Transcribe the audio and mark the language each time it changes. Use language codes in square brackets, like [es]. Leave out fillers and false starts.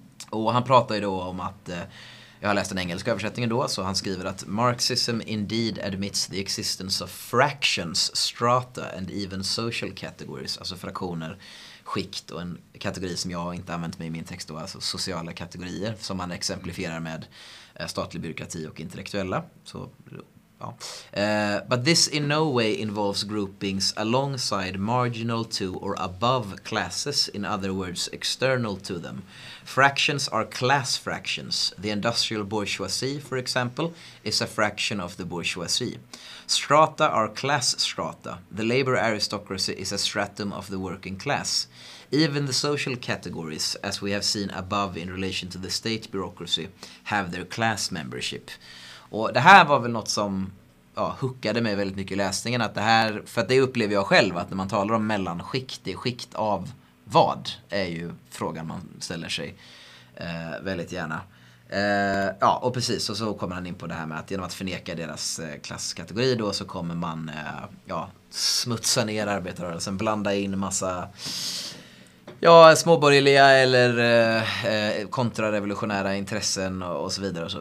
[sv] Och han pratar ju då om att, jag har läst den engelska översättningen då, så han skriver att [en] Marxism indeed admits the existence of fractions, strata and even social categories, [sv] alltså fraktioner, skikt, och en kategori som jag inte använt mig i min text då, alltså sociala kategorier, som han exemplifierar med statlig byråkrati och intellektuella. Så, ja. [en] But this in no way involves groupings alongside marginal to or above classes, in other words external to them. Fractions are class fractions. The industrial bourgeoisie, for example, is a fraction of the bourgeoisie. Strata are class strata. The labor aristocracy is a stratum of the working class. Even the social categories, as we have seen above in relation to the state bureaucracy, have their class membership. [sv] Och det här var väl något som huckade mig väldigt mycket i läsningen. Att det här, för att det upplever jag själv, att när man talar om mellanskikt, det är skikt av vad, är ju frågan man ställer sig väldigt gärna. Ja, och precis, och så kommer han in på det här med att genom att förneka deras klasskategori då, så kommer man ja, smutsa ner arbetarrörelsen, blanda in massa ja, småborgerliga eller kontrarevolutionära intressen och så vidare och så.